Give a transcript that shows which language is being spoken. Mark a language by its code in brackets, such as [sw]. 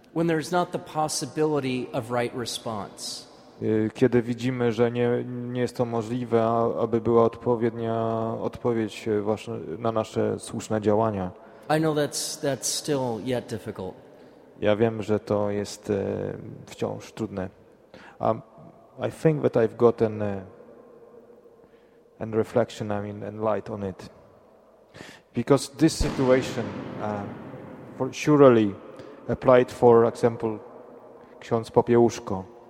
[en] When there's not the possibility of right response. [pl] Kiedy widzimy, że nie jest to możliwe, aby była odpowiednia odpowiedź właśnie na nasze słuszne działania. [en] I know that's still yet difficult. [pl] Ja wiem, że to jest wciąż trudne. [en] I think that I've gotten and reflection, I mean, and light on it. Because this situation surely applied, for example, ksiądz Popiełuszko.